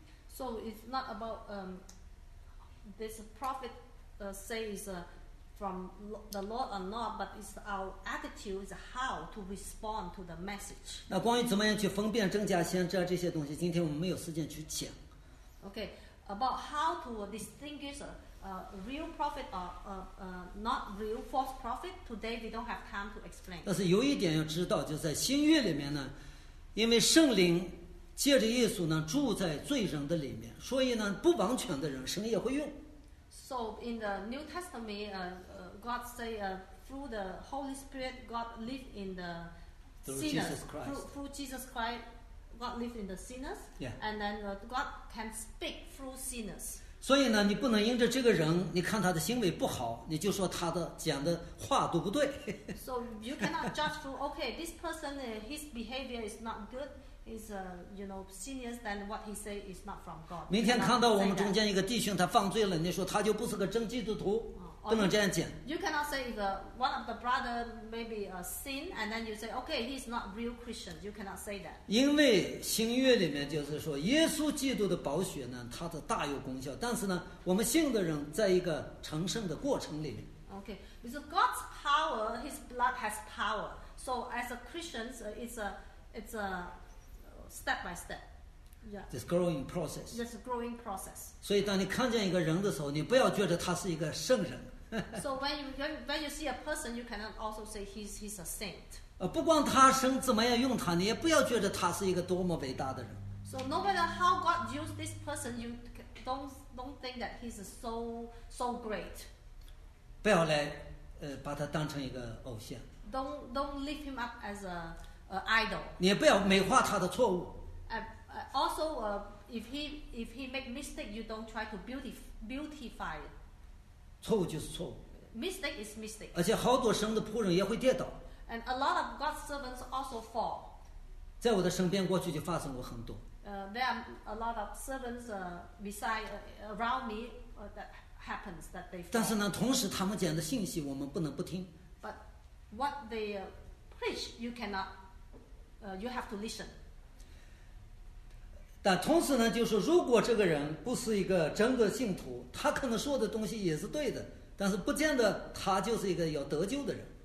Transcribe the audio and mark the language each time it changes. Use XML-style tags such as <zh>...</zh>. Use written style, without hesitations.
<en>So it's not about this prophet says from the Lord or not, but it's our attitude is how to respond to the message.</en> <zh>那关于怎么样去分辨真假先知这些东西，今天我们没有时间去讲。</zh> <en>Okay, about how to distinguish a real prophet or not real false prophet, today we don't have time to explain.</en> <zh>但是有一点要知道，就在新约里面呢，因为圣灵借着耶稣呢住在罪人的里面，所以呢不完全的人神也会用。</zh> <en>So in the New Testament, God say through the Holy Spirit, God live in the sinners. Through Jesus Christ. God lives in the sinners, yeah. And then God can speak through sinners.</en> <zh>所以呢，你不能因着这个人，你看他的行为不好，你就说他的讲的话都不对。</zh> <en>So you cannot judge through, okay, this person, his behavior is not good, is you know, sinners, then what he say is not from God.</en> <zh>明天看到我们中间一个弟兄他犯罪了，你说他就不是个真基督徒。不能这样讲。</zh> <en>You cannot say the one of the brother maybe a sin, and then you say, okay, he's not real Christian. You cannot say that.</en> <zh>因为新约里面就是说，耶稣基督的宝血呢，它的大有功效。但是呢，我们信的人在一个成圣的过程里面。</zh> <en>Okay, because God's power, His blood has power. So as a Christian, it's a step by step. Yeah. This growing process. This growing process.</en> <zh>所以当你看见一个人的时候，你不要觉得他是一个圣人。</zh> <en>So when you see a person, you cannot also say he's a saint.</en> <zh>不光他神怎么样用他，你也不要觉得他是一个多么伟大的人。</zh> <en>So no matter how God used this person, you don't think that he's so great.</en> <zh>不要来把他当成一个偶像。</zh> <en>Don't lift him up as an idol.</en> <zh>你也不要美化他的错误。</zh> <en>Also, if he make mistake, you don't try to beautify it.</en> <zh>错误就是错误。</zh> <en>Mistake is mistake.</en> <zh>而且好多神的仆人也会跌倒。</zh> <en>And a lot of God's servants also fall.</en> <zh>在我的身边过去就发生过很多。</zh> <en>There are a lot of servants around me that happens that they fall.</en> <zh>但是呢，同时他们讲的信息我们不能不听。</zh> <en>But what they preach, you cannot, you have to listen.</en> <zh>但同时呢，就是如果这个人不是一个真的信徒，他可能说的东西也是对的，但是不见得他就是一个要得救的人。</zh>